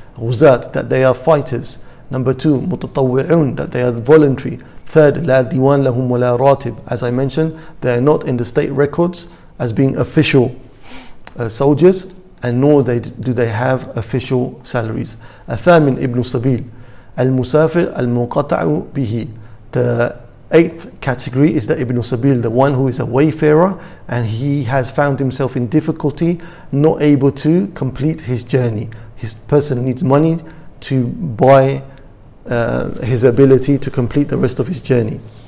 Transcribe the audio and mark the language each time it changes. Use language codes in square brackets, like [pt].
[en] غزات, that they are fighters. Number two, متطوعون, that they are voluntary. Third, [ar] لا ديوان لهم ولا راتب, [en] as I mentioned, they are not in the state records as being official soldiers, and nor do they have official salaries. [ar] الثامن ابن السبيل المسافر المنقطع به. [en] The eighth category is the ibn sabil, the one who is a wayfarer and he has found himself in difficulty, not able to complete his journey. His person needs money to buy his ability to complete the rest of his journey.